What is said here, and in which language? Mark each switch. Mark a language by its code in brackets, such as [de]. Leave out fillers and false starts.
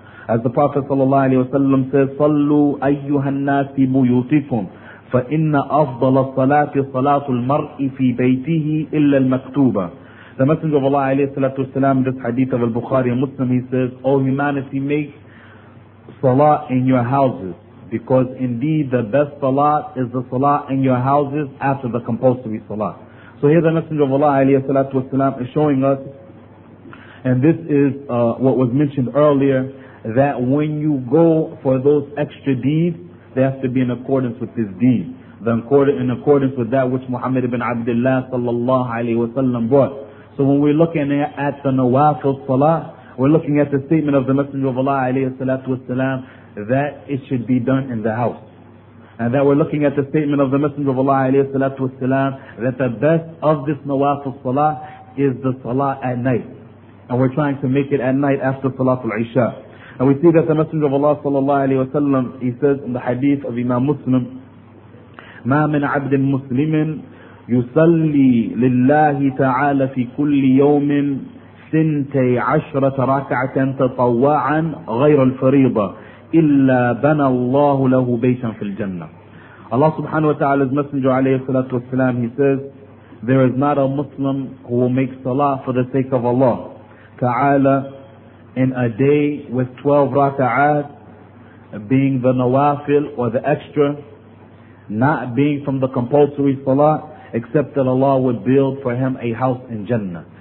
[en] As the Prophet sallallahu alayhi wa sallam says, [ar] صلوا أيها الناس بيوتكم فَإِنَّ أَفْضَلَ الصَّلَاةِ صَلَاةُ الْمَرْءِ فِي بَيْتِهِ إِلَّا الْمَكْتُوبَ. [en] The Messenger of Allah alayhi salatu wasalam, this hadith of Al-Bukhari and Muslim, he says, O humanity, make salah in your houses, because indeed the best salah is the salah in your houses after the compulsory salah. So here the Messenger of Allah alayhi salatu wasalam is showing us, and this is what was mentioned earlier, that when you go for those extra deeds, they have to be in accordance with this deen, in accordance with that which Muhammad ibn Abdullah sallallahu alayhi wa sallam brought. So when we're looking at the nawafil salah, we're looking at the statement of the Messenger of Allah alayhi salatu wasalam, that it should be done in the house. And that we're looking at the statement of the Messenger of Allah alayhi salatu wasalam, that the best of this nawafil salah is the salah at night. And we're trying to make it at night after Salatul Isha. And we see that the Messenger of Allah sallallahu alayhi wa sallam, he says in the hadith of Imam Muslim, [ar] مَا مِنْ عَبْدٍ مُسْلِمٍ يُسَلِّي لِلَّهِ تَعَالَ فِي كُلِّ يَوْمٍ سِنْتَي عَشْرَةَ رَكَعَةً تَطَوَّعًا غَيْرَ الْفَرِيضَةِ إِلَّا بَنَى اللَّهُ لَهُ بَيْتًا فِي الْجَنَّةِ. [en] Allah subhanahu wa ta'ala's Messenger alayhi salatu wasalam, he says, there is not a Muslim who will make salah for the sake of Allah ta'ala in a day with 12 raka'at being the nawafil or the extra, not being from the compulsory salah, except that Allah would build for him a house in Jannah.